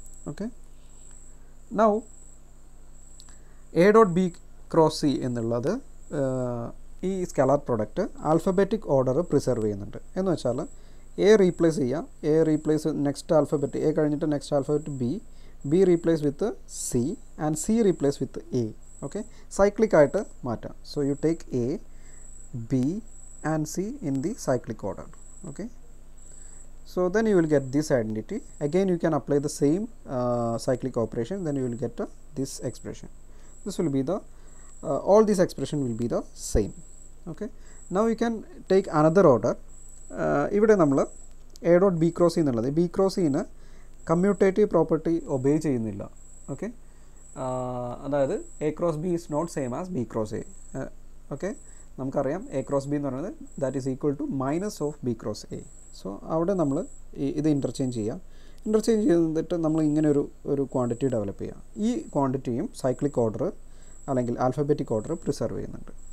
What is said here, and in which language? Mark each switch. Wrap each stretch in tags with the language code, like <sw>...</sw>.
<en>Okay, now A dot B cross C എന്നുള്ളത് ഈ scalar product alphabetic order preserve ചെയ്യുന്നുണ്ട്. എന്ന് വെച്ചാൽ എ റീപ്ലേസ് ചെയ്യുക, A replace next alphabet A കഴിഞ്ഞിട്ട് next alphabet B, B replace with C and C replace with A.</en> <ml>Okay, cyclic ആയിട്ട് മാറ്റാം.</ml> <en>So you take A B and C in the cyclic order. Okay, so then you will get this identity. Again you can apply the same cyclic operation, then you will get this expression. This will be the all these expression will be the same. Okay, now you can take another order.</en> <ml>ഇവിടെ നമ്മൾ a dot b cross e എന്നുള്ളത് b cross e ന് commutative property obey ചെയ്യുന്നില്ല.</ml> <en>Okay,</en> <ml>അതായത്</ml> <en>a cross b is not same as b cross a. Okay,</en> <ml>നമുക്കറിയാം A cross B എന്ന് പറയുന്നത്</ml> <en>That is equal to minus of B cross A.</en> <ml>So അവിടെ നമ്മൾ ഇത് interchange ചെയ്യാം. ഇൻ്റർചേഞ്ച് ചെയ്തിട്ട് നമ്മൾ ഇങ്ങനെ ഒരു ക്വാണ്ടിറ്റി ഡെവലപ്പ് ചെയ്യാം. ഈ ക്വാണ്ടിറ്റിയും സൈക്ലിക് ഓർഡർ അല്ലെങ്കിൽ ആൽഫബറ്റിക് ഓർഡർ പ്രിസർവ് ചെയ്യുന്നുണ്ട്.</ml>